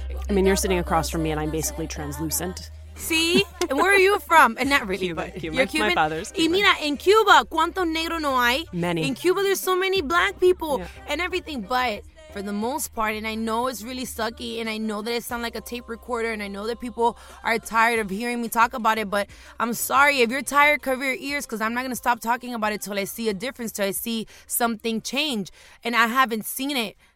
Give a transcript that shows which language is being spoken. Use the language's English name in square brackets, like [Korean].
[English] I mean, you're sitting across from me and I'm basically translucent. See? And where are you from? And not really, Cuba, but Cuba. You're Cuban. My father's Cuban. [Spanish] Y mira, en Cuba, ¿cuánto negro no hay? [English] Many. In Cuba, there's so many black people and everything, but for the most part, and I know it's really sucky, and I know that I sound like a tape recorder, and I know that people are tired of hearing me talk about it, but I'm sorry. If you're tired, cover your ears, because I'm not going to stop talking about it till I see a difference, till I see something change, and I haven't seen it.